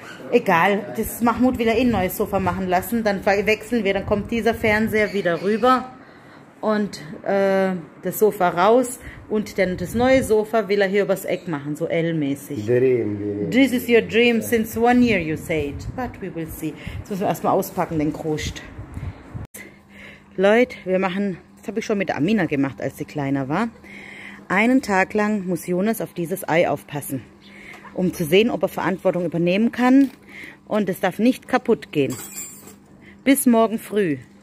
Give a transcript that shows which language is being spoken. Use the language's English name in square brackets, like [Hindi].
[German] Egal, das Mahmoud will ja eh ein neues Sofa machen lassen. Dann wechseln wir, dann kommt dieser Fernseher wieder rüber. Und das Sofa raus und dann das neue Sofa will er hier übers Eck machen, so L-mäßig. [English] Dream. This is your dream since one year, you said. But we will see. [German] Jetzt müssen wir erstmal auspacken, den Kruscht. Leute, wir machen, das habe ich schon mit Amina gemacht, als sie kleiner war. Einen Tag lang muss Jonas auf dieses Ei aufpassen. um zu sehen, ob er Verantwortung übernehmen kann. Und es darf nicht kaputt gehen. Bis morgen früh.